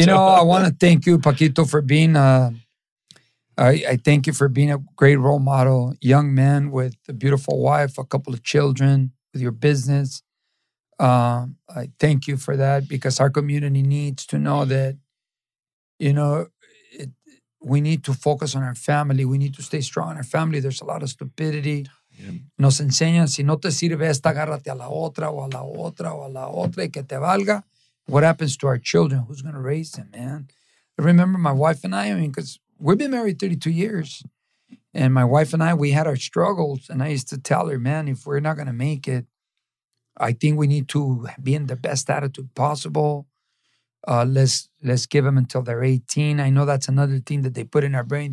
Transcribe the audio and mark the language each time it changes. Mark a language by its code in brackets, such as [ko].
[en] You know, I want to thank you, Paquito, for being I thank you for being a great role model, young man with a beautiful wife, a couple of children, with your business. I thank you for that because our community needs to know that, you know, we need to focus on our family. We need to stay strong in our family. There's a lot of stupidity. Yeah. [es] Nos enseñan, si no te sirve esta, agárrate a la otra o a la otra o a la otra y que te valga. [en] What happens to our children? Who's going to raise them, man? I remember my wife and I mean, because we've been married 32 years. And my wife and I, we had our struggles. And I used to tell her, man, if we're not going to make it, I think we need to be in the best attitude possible. Let's give them until they're 18. I know that's another thing that they put in our brain.